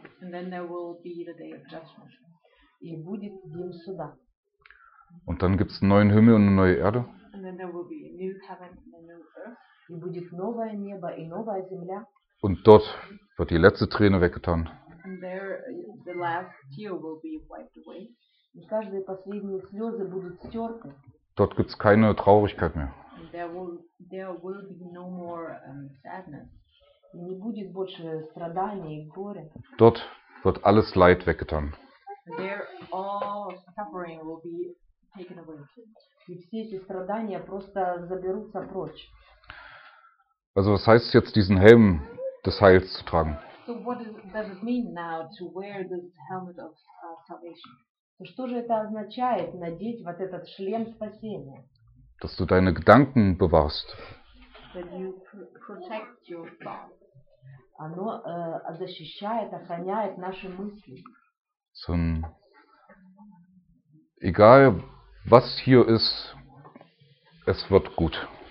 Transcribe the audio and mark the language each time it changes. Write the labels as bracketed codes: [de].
[en] And then there will be the day of judgment. [ru] И будет день суда. [de] Und dann gibt's einen neuen Himmel und eine neue Erde. [en] And then there will be a new heaven and a new earth. [ru] И будет новое небо и новая земля. [de] Und dort wird die letzte Träne weggetan. [en] And there the last tear will be wiped away. [ru] И каждые последние слезы будут стерты. [de] Dort gibt's keine Traurigkeit mehr. [en] There will be no more sadness. [ru] И не будет больше страданий и горя. [de] Dort wird alles Leid weggetan. [en] There all suffering will be taken away. [ru] И все эти страдания просто заберутся прочь. [de] Also was heißt jetzt diesen Helm des Heils zu tragen? [en] So what does it mean now to wear this helmet of salvation? [ru] Что же это означает надеть вот этот шлем спасения? [de] Dass du deine Gedanken bewahrst. [en] That you protect your thoughts. [ru] Оно защищает, охраняет наши мысли. [de] So, egal was hier ist, es wird gut.